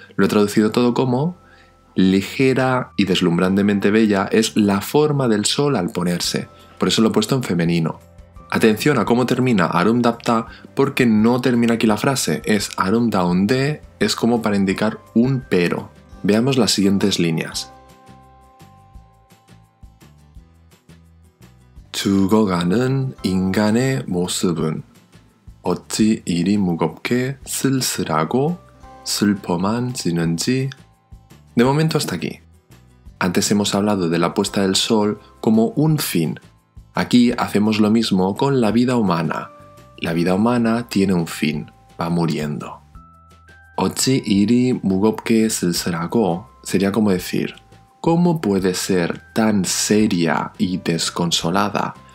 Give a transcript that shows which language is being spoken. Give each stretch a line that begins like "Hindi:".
Spanish: Lo he traducido todo como ligera y deslumbrantemente bella es la forma del sol al ponerse. Por eso lo he puesto en femenino. Atención a cómo termina 아름답다, porque no termina aquí la frase. Es 아름다운데, es como para indicar un pero. Veamos las siguientes líneas.
Korean: 죽어가는 인간의 모습은 어찌 이리 무겁게 쓸쓸하고 슬퍼만 지는지.
Spanish: De momento hasta aquí. Antes hemos hablado de la puesta del sol como un fin. Aquí hacemos lo mismo con la vida humana. La vida humana tiene un fin, va muriendo.
Korean: 어찌 이리 무겁게 쓸쓸하고
Spanish: sería como decir, ¿cómo puede ser tan seria y desconsolada?